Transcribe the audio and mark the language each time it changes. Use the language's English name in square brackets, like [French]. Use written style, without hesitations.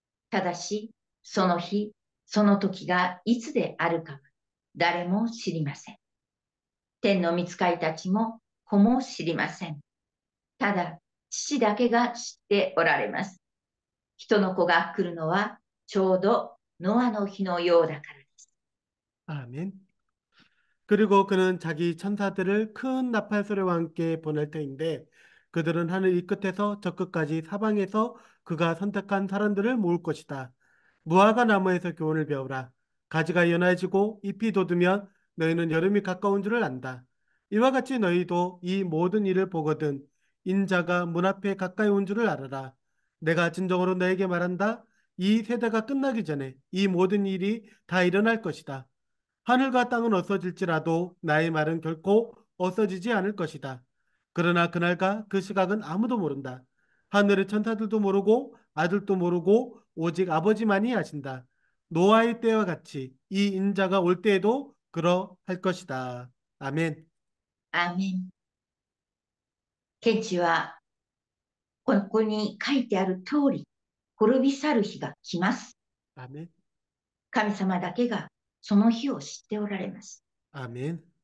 [Japanese] ただし、その日、その時がいつであるかは誰も知りません。天の御使いたちも、子も知りません。ただ、父だけが知っておられます。人の子が来るのは、ちょうどノアの日のようだからです。 [Korean] 아멘. 그리고 그는 자기 천사들을 큰 나팔 소리와 함께 보낼 터인데, 그들은 하늘 이 끝에서 저 끝까지 사방에서 그가 선택한 사람들을 모을 것이다. 무화과 나무에서 교훈을 배우라. 가지가 연해지고 잎이 돋으면 너희는 여름이 가까운 줄을 안다. 이와 같이 너희도 이 모든 일을 보거든 인자가 문 앞에 가까이 온 줄을 알아라. 내가 진정으로 너에게 말한다. 이 세대가 끝나기 전에 이 모든 일이 다 일어날 것이다. 하늘과 땅은 없어질지라도 나의 말은 결코 없어지지 않을 것이다. 그러나 그날과 그 시각은 아무도 모른다. 하늘의 천사들도 모르고 아들도 모르고 오직 아버지만이 아신다. 노아의 때와 같이 이 인자가 올 때에도 그러할 것이다. 아멘. 아멘. [Japanese] 天地はここに書いてある通り、滅び去る日が来ます。 [Korean] 아멘. [Japanese] 神様だけがその日を知っておられます。 [Korean] 아멘.